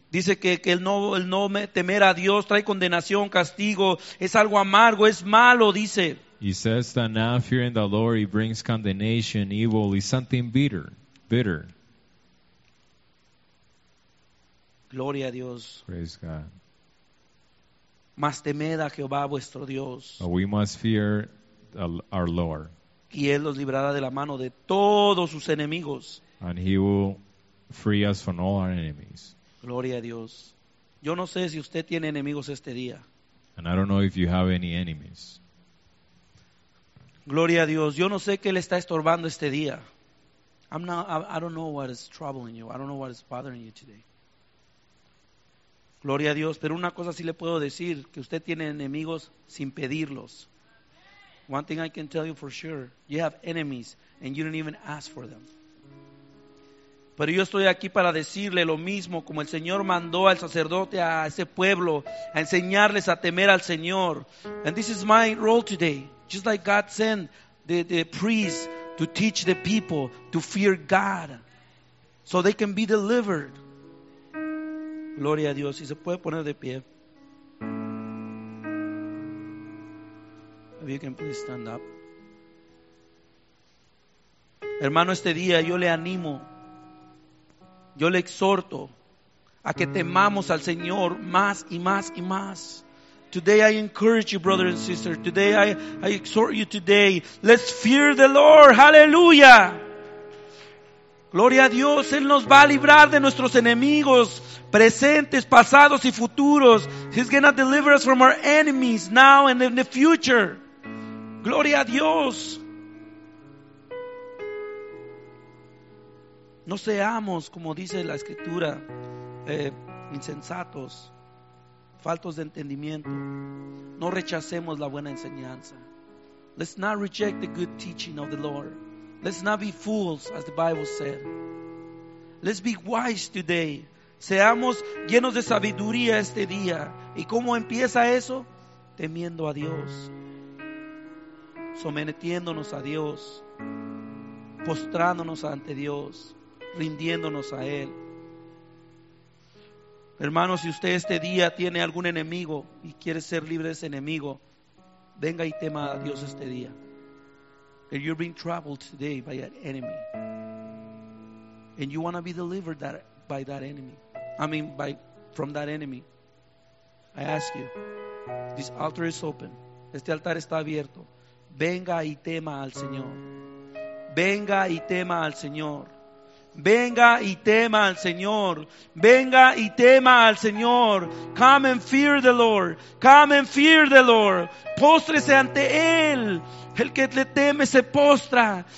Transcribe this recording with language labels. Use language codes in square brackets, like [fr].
[es] Dice que el no temer a Dios trae condenación, castigo, es algo amargo, es malo, dice. [en] He says that not fearing the Lord, it brings condemnation, evil, is something bitter, bitter. [es] Gloria a Dios. [en] Praise God. [es] Mas temed a Jehová vuestro Dios. [en] But we must fear our Lord. [es] Y Él los librará de la mano de todos sus enemigos. [en] And He will free us from all our enemies. [es] Gloria a Dios. Yo no sé si usted tiene enemigos este día. [en] And I don't know if you have any enemies. [es] Gloria a Dios. Yo no sé qué le está estorbando este día. [en] I don't know what is troubling you. I don't know what is bothering you today. [es] Gloria a Dios. Pero una cosa sí le puedo decir, que usted tiene enemigos sin pedirlos. [en] One thing I can tell you for sure, you have enemies and you didn't even ask for them. [es] Pero yo estoy aquí para decirle lo mismo como el Señor mandó al sacerdote a ese pueblo, a enseñarles a temer al Señor. [en] And this is my role today, just like God sent the priest to teach the people to fear God so they can be delivered. [es] Gloria a Dios. Si se puede poner de pie. [en] If you can please stand up. [es] Hermano, este día yo le animo, yo le exhorto a que temamos al Señor más y más y más. [en] Today I encourage you, brother and sister. Today I exhort you today. Let's fear the Lord. Hallelujah. [es] Gloria a Dios. Él nos va a librar de nuestros enemigos presentes, pasados y futuros. [en] He's going to deliver us from our enemies now and in the future. [es] Gloria a Dios. No seamos, como dice la escritura, insensatos, faltos de entendimiento. No rechacemos la buena enseñanza. [en] Let's not reject the good teaching of the Lord. Let's not be fools, as the Bible said. Let's be wise today. [es] Seamos llenos de sabiduría este día. ¿Y cómo empieza eso? Temiendo a Dios. Sometiéndonos a Dios, postrándonos ante Dios, rindiéndonos a Él. Hermanos, si usted este día tiene algún enemigo y quiere ser libre de ese enemigo, venga y tema a Dios este día. [en] If you're being troubled today by an enemy and you want to be delivered from that enemy, I ask you, this altar is open. [es] Este altar está abierto. Venga y tema al Señor. Venga y tema al Señor. Venga y tema al Señor. Venga y tema al Señor. [en] Come and fear the Lord. Come and fear the Lord. [es] Póstrese ante Él. El que le teme se postra.